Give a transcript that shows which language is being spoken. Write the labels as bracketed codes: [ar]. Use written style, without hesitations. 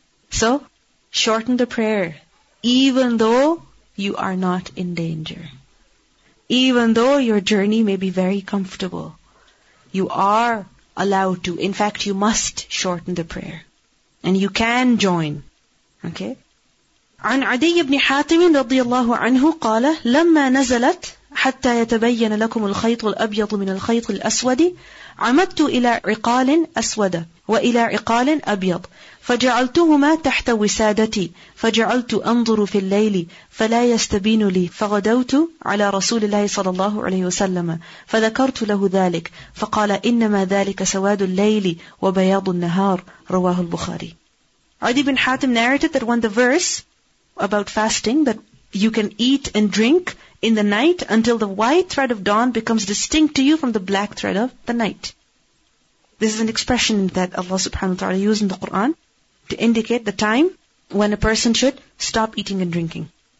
[en] So shorten the prayer, even though you are not in danger. Even though your journey may be very comfortable. You are allowed to. In fact, you must shorten the prayer. And you can join. Okay? [ar] عن عدي بن حاتم رضي الله عنه قال لما نزلت حتى يتبين لكم الخيط الأبيض من الخيط الأسود عمدت إلى عقال أسود وإلى عقال أبيض فجعلتهما تحت وسادتي فجعلت أنظر في الليل فلا يستبين لي فغدوت على رسول الله صلى الله عليه وسلم فذكرت له ذلك فقال إنما ذلك سواد الليل وبياض النهار رواه البخاري. [en] عدي بن حاتم narrated that when the verse about fasting, that you can eat and drink in the night until the white thread of dawn becomes distinct to you from the black thread of the night. This is an expression that Allah subhanahu wa ta'ala used in the Quran to indicate the time when a person should stop eating and drinking.